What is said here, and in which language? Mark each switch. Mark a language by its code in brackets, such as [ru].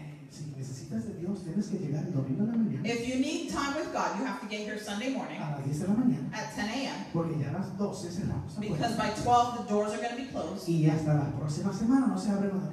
[es] si necesitas de Dios, tienes que llegar el domingo a la mañana. [en] If you need time with God, you have to get here Sunday morning. [es] A las 10 de la mañana. [en] At 10 a.m. [es] Porque ya a las 12 cerramos. [en] Because by 12 the doors are going to be closed. [es] Y hasta la próxima semana no se abren.